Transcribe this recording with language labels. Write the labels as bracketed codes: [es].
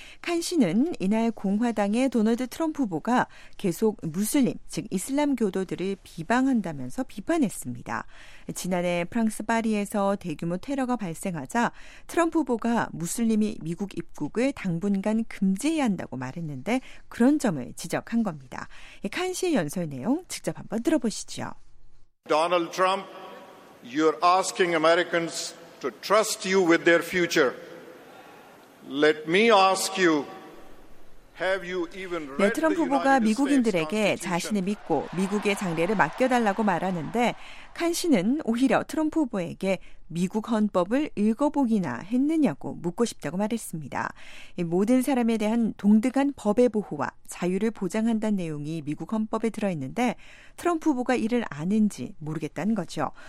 [ko] 칸 씨는 이날 공화당의 도널드 트럼프 후보가 계속 무슬림, 즉 이슬람교도들을 비방한다면서 비판했습니다. 지난해 프랑스 파리에서 대규모 테러가 발생하자 트럼프 후보가 무슬림이 미국 입국을 당분간 금지해야 한다고 말했는데 그런 점을 지적한 겁니다. 칸 씨의 연설 내용 직접 한번 들어보시죠. [en] Donald Trump, you're asking Americans to trust you with their future. Let me ask you. [ko] 네, 트럼프 후보가 미국인들에게 자신을 믿고 미국의 장래를 맡겨달라고 말하는데 칸 씨는 오히려 트럼프 후보에게 미국 헌법을 읽어보기나 했느냐고 묻고 싶다고 말했습니다. 모든 사람에 대한 동등한 법의 보호와 자유를 보장한다는 내용이 미국 헌법에 들어있는데 트럼프 후보가 이를 아는지 모르겠다는 거죠.